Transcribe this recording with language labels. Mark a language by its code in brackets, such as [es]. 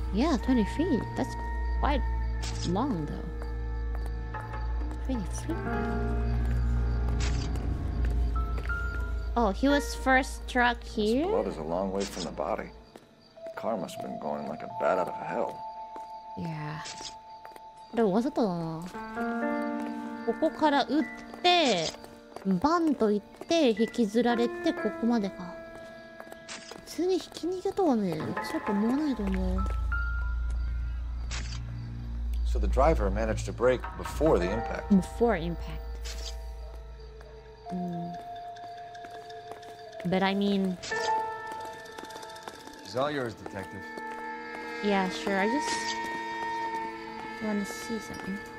[en] Yeah, 20 feet. That's quite long, though. 20 feet? Oh, he was first struck here. His blood is a long way from the body. The car must have been going like a bat out of hell. Yeah. What was it? [ja] ここから撃って バンと言って 引きずられて ここまでか 普通に引き逃げとはね ちょっと思わないと思う [en] So the driver managed to brake before the impact. Before impact. But I mean... It's all yours, detective. Yeah, sure. I just want to see something.